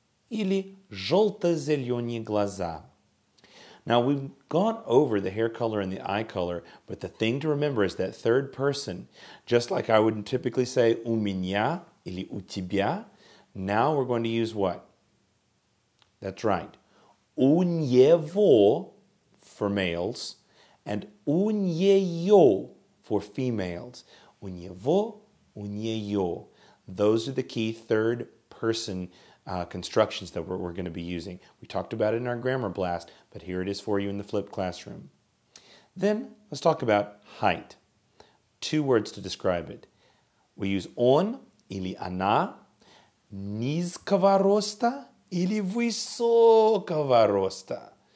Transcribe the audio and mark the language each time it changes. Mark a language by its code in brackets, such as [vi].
[ru] Или желто-зеленые глаза. [en] Now, we've gone over the hair color and the eye color, but the thing to remember is that third person, just like I would typically say [ru] у меня или у тебя, [en] now we're going to use what? That's right. [ru] У него [en] for males and [ru] у неё [en] for females. [ru] У него, у неё. [en] Those are the key third person constructions that we're going to be using. We talked about it in our grammar blast, but here it is for you in the flipped classroom. Then, let's talk about height. Two words to describe it. We use [ru] он или она, низкого роста или высокого роста.